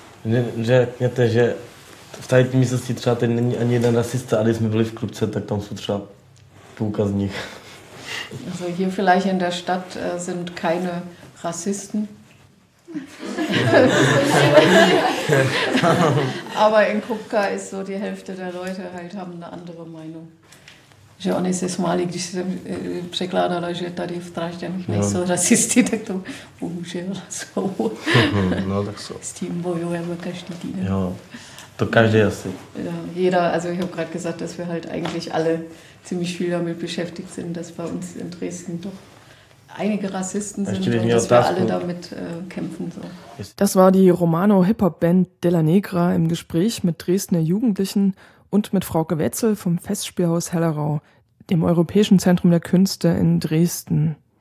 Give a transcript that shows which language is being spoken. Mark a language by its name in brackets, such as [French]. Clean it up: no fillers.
[German] Wenn du sagst, dass es in dieser Gegend kein Rassist ist, aber wir waren im Club, dann sind da etwa ein paar. Also hier vielleicht in der Stadt sind keine Rassisten. Aber in Kupka ist so die Hälfte der Leute halt haben eine andere Meinung. [Czech] Že oni se smáli, když jsem překládala, že tady v Drážďanech nejsou rasisti, tak to bohužel jsou. No tak jsou. S tím bojujeme každý týden. Jo. To každý asi. [German] Ja, jeder, also ich habe gerade gesagt, dass wir halt eigentlich alle ziemlich viel damit beschäftigt sind, dass bei uns in Dresden doch einige Rassisten sind und dass wir alle damit kämpfen. So. Das war die Romano-Hip-Hop-Band De La Negra im Gespräch mit Dresdner Jugendlichen und mit Frauke Wetzel vom Festspielhaus Hellerau, dem Europäischen Zentrum der Künste in Dresden.